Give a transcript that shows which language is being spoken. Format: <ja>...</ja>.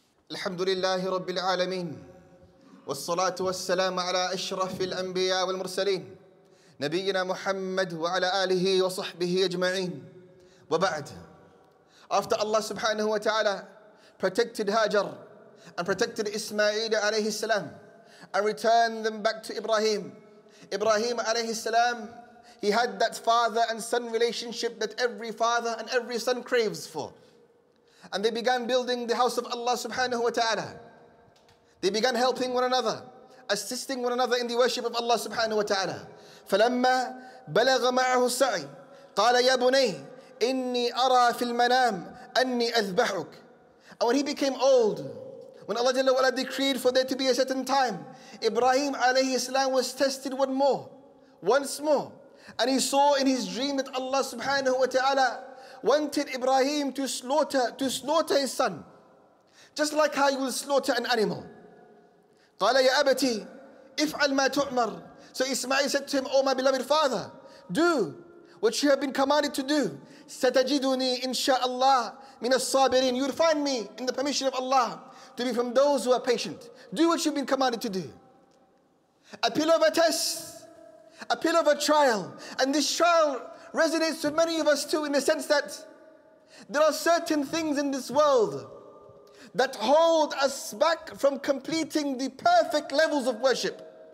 <ar>الحمد لله رب العالمين، والصلاة والسلام على أشرف الأنبياء والمرسلين، نبينا محمد وعلى آله وصحبه أجمعين وبعد.</ar> <en>After Allah subhanahu wa ta'ala protected Hajar and protected Ismail alayhi salam and returned them back to Ibrahim. Ibrahim alayhi salam, he had that father and son relationship that every father and every son craves for. And they began building the house of Allah subhanahu wa ta'ala. They began helping one another, assisting one another in the worship of Allah subhanahu wa ta'ala.</en> <ar>فَلَمَّا بَلَغَ مَعَهُ السَّعِي قَالَ يَا بُنَيْهِ إِنِّي أَرَى فِي الْمَنَامِ أَنِّي أَذْبَحُكَ.</ar> <en>And when he became old, when Allah Jalla wa'ala decreed for there to be a certain time, Ibrahim alayhi salam was tested once more. And he saw in his dream that Allah subhanahu wa ta'ala wanted Ibrahim to slaughter his son. Just like how you will slaughter an animal.</en> <ar>قَالَ يَا أَبَتِي إِفْعَلْ مَا تُعْمَرْ.</ar> <en>So Ismail said to him, oh my beloved father, do what you have been commanded to do.</en> <ar>ستجدني إن شاء الله من الصابرين.</ar> <en>You will find me in the permission of Allah to be from those who are patient. Do what you've been commanded to do. A pillar of a test, a pillar of a trial. And this trial resonates with many of us too, in the sense that there are certain things in this world that hold us back from completing the perfect levels of worship.</en>